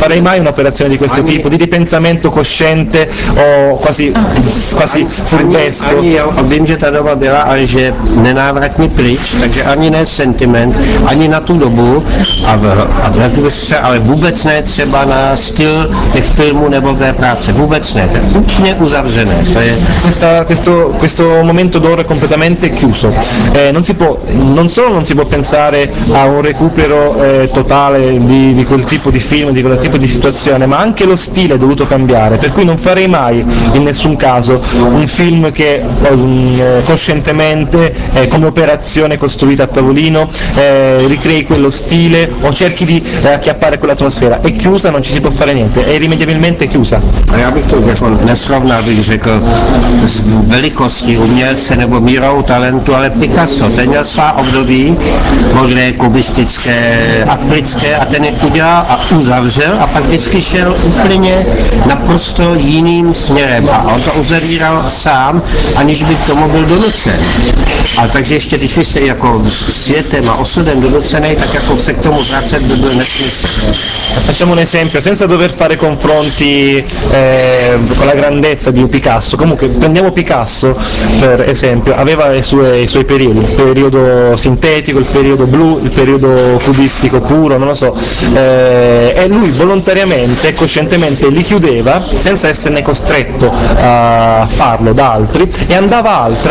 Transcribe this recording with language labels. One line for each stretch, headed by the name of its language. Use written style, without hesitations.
Italian: Farei mai un'operazione di questo tipo, di ripensamento cosciente o quasi
Czech: ani já vím, že ta doba byla a že nenávratně pryč, takže ani ne sentiment, ani na tu dobu a vrátil se, ale vůbec ne třeba na styl těch filmů nebo té práce, vůbec ne, to je úplně uzavřené. To je
Italian: questo momento d'ora completamente chiuso, non si può, non solo non si può pensare a un recupero totale di quel tipo di film, di quel tipo di situazione, ma anche lo stile è dovuto cambiare, per cui non farei mai in nessun caso un film che coscientemente, come operazione costruita a tavolino, ricrei quello stile o cerchi di acchiappare quell'atmosfera. È chiusa, non ci si può fare niente, è irrimediabilmente chiusa.
Czech: Ja bych to jako nesrovnal, bych řekl, s velikostí umělce nebo mírou talentu, ale Picasso, ten měl svá období, možná kubistické, africké, a ten je udělal a uzavřel a pak vždycky šel úplně naprosto jiným směrem a on to uzavíral sám, aniž by k tomu byl donucen. A takže ještě, když jsi jako světem a osudem donucený, tak jako se k tomu vracet by byl nesmysl.
Italian: Facciamo un esempio, senza dover fare confronti con la grandezza di Picasso, comunque prendiamo Picasso per esempio, aveva i suoi periodi, il periodo sintetico, il periodo blu, il periodo cubistico puro, non lo so, e lui volontariamente, coscientemente li chiudeva senza esserne costretto a farlo da altri e andava